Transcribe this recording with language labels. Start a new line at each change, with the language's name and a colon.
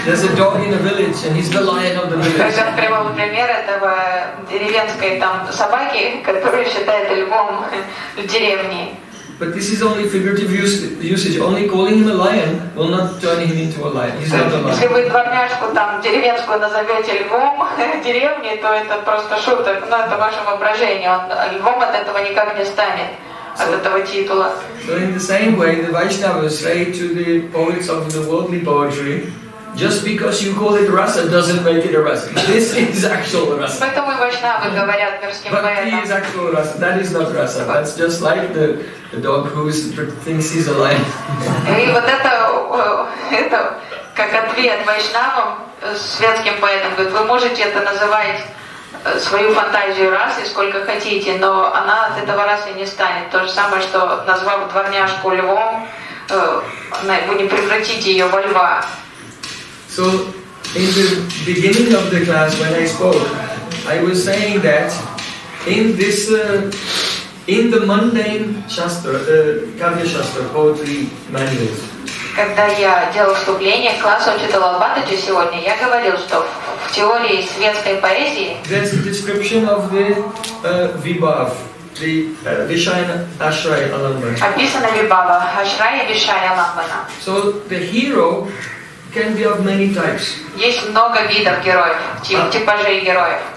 English: There's a dog in the village and he's the lion of the village.
Russian: Это прямой пример этого деревенской там собаки, которую считают львом в деревне.
English: But this is only figurative usage. Only calling him a lion will not turn him into a lion. He's not a lion.
Russian: Если вы дворняжку там деревенскую назовете львом деревни, то это просто шуток. Но это ваше воображение. Он львом от этого никак не станет, от этого титула.
English: So in the same way, the Vaishnavas say to the poets of the worldly poetry, Just because you call it rasa doesn't make it a rasa. This is actual rasa.
Russian: Поэтому вайшнавы говорят мирским поэтам.
English: Bhakti is actual rasa. That is not rasa. That's just like the dog who thinks he's alive.
Russian: И вот это как ответ вайшнавам светским поэтам говорит, вы можете это называть свою фантазию расы сколько хотите, но она от этого расы не станет. То же самое, что назвав дворняжку львом, вы не превратите ее во льва.
English: So, in the beginning of the class, when I spoke, I was saying that in this, in the mundane shastra, the kavya shastra, poetry manuals.
Russian: Когда я делал вступление к классу читала Албатаджи сегодня, я говорил, что в теории светской поэзии.
English: There's a description of the vibhav, the vishaya ashraya alambana.
Russian: Описано вибава, ашрая вишая алабана.
English: So the hero can be of many types.
Russian: Есть много видов героев, типажей героев.